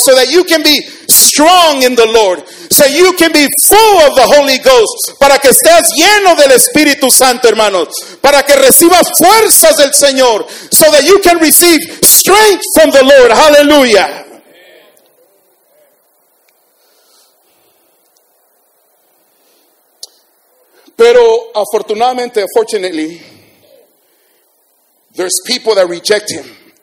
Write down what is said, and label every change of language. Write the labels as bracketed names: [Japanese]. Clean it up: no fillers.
[English] So that you can be strong in the Lord. So you can be full of the Holy Ghost. [Spanish] Para que estés lleno del Espíritu Santo, hermanos. Para que recibas fuerzas del Señor. [English] So that you can receive strength from the Lord. Hallelujah. [Spanish] Pero afortunadamente, [English] fortunately, there's people that reject him.